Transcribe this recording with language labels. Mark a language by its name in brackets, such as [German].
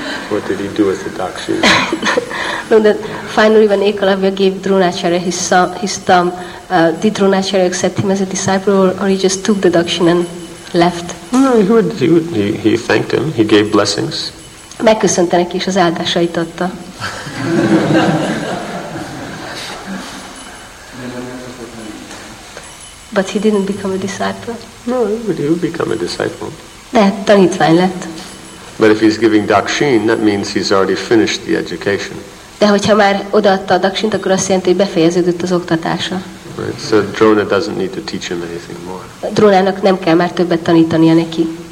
[English] What did he do with the duck shoes? No, that finally when Ekalavya gave Dronacharya his thumb, did Dronacharya accept him as a disciple, or he just took the duck shoes and left? No, he thanked him. He gave blessings. [Hungarian] Megköszönte neki, és az áldásait adta. [English] But he didn't become a disciple. No, but he would become a disciple. [Hungarian] De tanítvány lett. [English] But if he's giving dakshin, that means he's already finished the education. [Hungarian] De hogyha már odaadta a dakshint, akkor azt jelenti, hogy befejeződött az oktatása. [English] Right. So Drona doesn't need to teach him anything more. [Hungarian] Drónának nem kell már többet tanítania neki.